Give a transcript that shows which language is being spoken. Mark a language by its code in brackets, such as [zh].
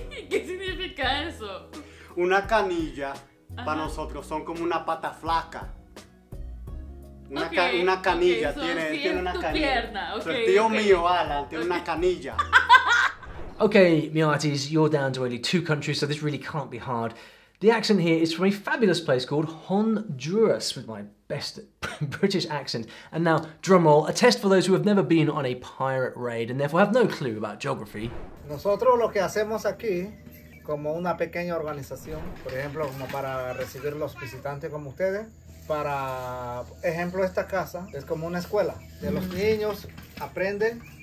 [es] ¿Qué significa eso? Una canilla, uh-huh, para nosotros son como una pata flaca. Una, okay, una canilla, okay, tiene una canilla. Okay, so el tío mío, Alan, tiene una canilla. [en] Okay, Miatis, you're down to only two countries, so this really can't be hard. The accent here is from a fabulous place called Honduras, with my best British accent. And now, drumroll, a test for those who have never been on a pirate raid and therefore have no clue about geography. [es] Nosotros lo que hacemos aquí, como una pequeña organización, por ejemplo, como para recibir los visitantes como ustedes, para ejemplo, esta casa es como una escuela de los niños aprenden.